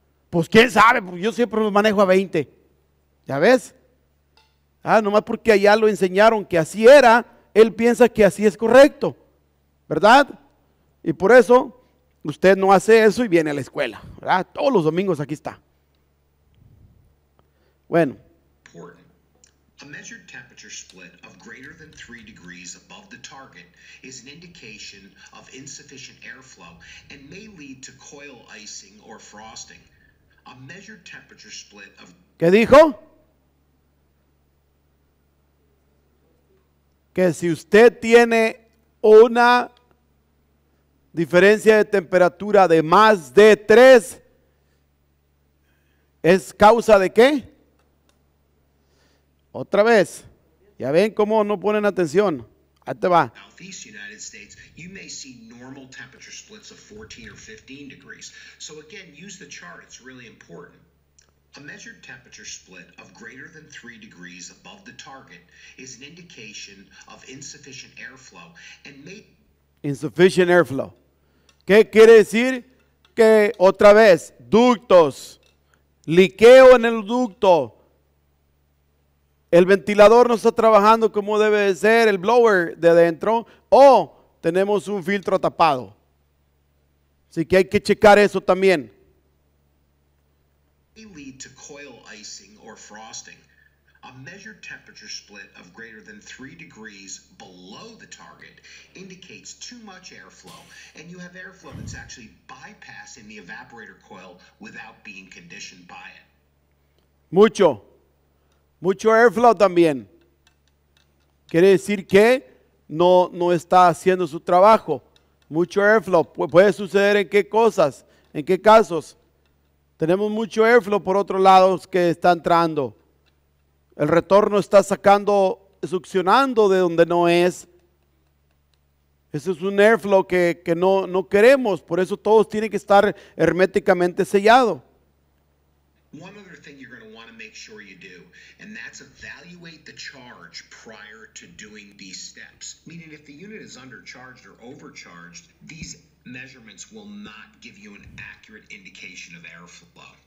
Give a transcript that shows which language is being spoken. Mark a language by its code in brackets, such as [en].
[es] Pues quién sabe, yo siempre lo manejo a 20. ¿Ya ves? Ah, nomás porque allá lo enseñaron que así era, él piensa que así es correcto, ¿verdad? Y por eso, usted no hace eso y viene a la escuela, ¿verdad? Todos los domingos aquí está. Bueno. [en] Important. A measured temperature split of greater than 3 degrees above the target is an indication of insufficient airflow and may lead to coil icing or frosting. A measured temperature split of... [es] ¿Qué dijo? Que si usted tiene una diferencia de temperatura de más de 3, ¿es causa de qué? Otra vez, ya ven cómo no ponen atención. Ahí te va. [en] Southeast United States, you may see normal temperature splits of 14 or 15 degrees. So again, use the chart, it's really important. A measured temperature split of greater than 3 degrees above the target is an indication of insufficient airflow and may... Insufficient airflow. [es] ¿Qué quiere decir? Que otra vez, ductos, liqueo en el ducto, el ventilador no está trabajando como debe de ser, el blower de adentro, o tenemos un filtro tapado. Así que hay que checar eso también. [en] May lead to coil icing or frosting. A measured temperature split of greater than 3 degrees below the target indicates too much airflow, and you have airflow that's actually bypassing the evaporator coil without being conditioned by it. [es] Mucho. Mucho airflow también. Quiere decir que no está haciendo su trabajo. Mucho airflow. ¿Puede suceder en qué cosas? ¿En qué casos? Tenemos mucho airflow por otro lado que está entrando. El retorno está sacando, succionando de donde no es. Ese es un airflow que no queremos. Por eso todos tienen que estar herméticamente sellado. [en] One other thing you're going to want to make sure you do, and that's evaluate the charge prior to doing these steps. Meaning if the unit is undercharged or overcharged, these measurements will not give you an accurate indication of airflow.